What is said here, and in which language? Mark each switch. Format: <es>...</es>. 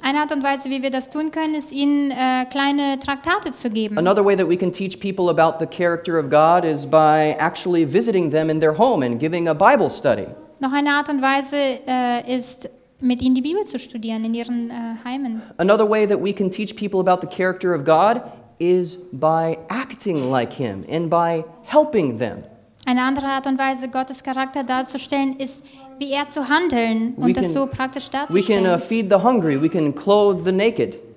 <de>Eine Art und Weise, wie wir das tun können, ist ihnen kleine Traktate zu geben.</de> <en>Another way that we can teach people about the character of God is by actually visiting them in their home and giving a Bible study.</en> <de>Noch eine Art und Weise ist mit ihnen die Bibel zu studieren in ihren Heimen.</de> <en>Another way that we can teach people about the character of God is by acting like him and by helping them.</en> <de>Eine andere Art und Weise, Gottes Charakter darzustellen, ist, wie er zu handeln und das so praktisch darzustellen.</de> <en>We can feed the hungry, we can clothe the naked.</en>